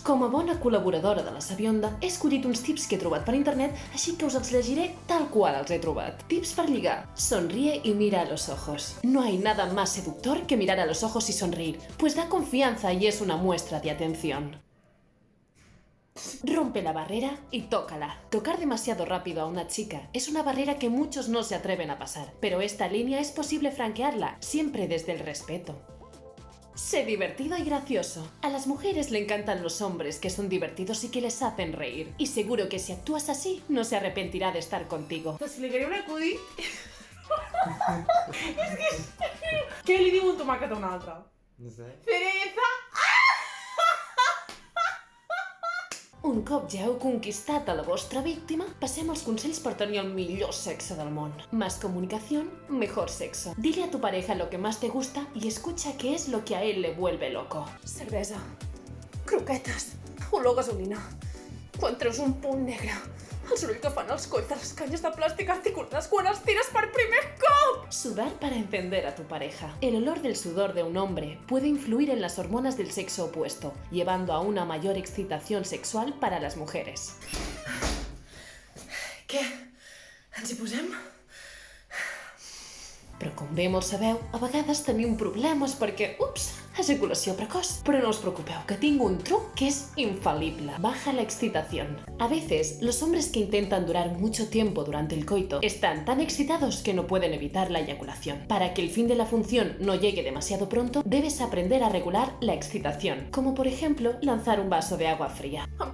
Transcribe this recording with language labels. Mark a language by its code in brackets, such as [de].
[ca] Com a bona col·laboradora de la Sabionda, he escollit uns tips que he trobat per internet, així que us els llegiré tal qual els he trobat. Tips per lligar. [es] Sonríe y mira a los ojos. No hay nada más seductor que mirar a los ojos y sonreír, pues da confianza y es una muestra de atención. Rompe la barrera y tócala. Tocar demasiado rápido a una chica es una barrera que muchos no se atreven a pasar, pero esta línea es posible franquearla, siempre desde el respeto. Sé divertido y gracioso. A las mujeres le encantan los hombres que son divertidos y que les hacen reír. Y seguro que si actúas así, no se arrepentirá de estar contigo. Pues le quería un acudir. Es que... ¿Qué le digo un tomate a una otra? No sé. ¡Cereza! [ca] Un cop ja heu conquistat a la vostra víctima, passem als consells per tenir el millor sexe del món. [es] Más comunicación, mejor sexo. Dile a tu pareja lo que más te gusta y escucha qué es lo que a él le vuelve loco. [ca] Cervesa, croquetes, olor a gasolina. Quan treus un punt negre, el soroll que fan els colls de les canyes de plàstic articulades quan els tires per primer cop! [es] Sudar para encender a tu pareja. El olor del sudor de un hombre puede influir en las hormonas del sexo opuesto, llevando a una mayor excitación sexual para las mujeres. [ca] Què? Ens hi posem? Però com bé molt sabeu, a vegades tenim problemes perquè, ups, ejaculació precoç. Però no us preocupeu, que tinc un truc que és infalible. [es] Baja la excitación. A veces, los hombres que intentan durar mucho tiempo durante el coito están tan excitados que no pueden evitar la eyaculación. Para que el fin de la función no llegue demasiado pronto, debes aprender a regular la excitación. Como por ejemplo, lanzar un vaso de agua fría.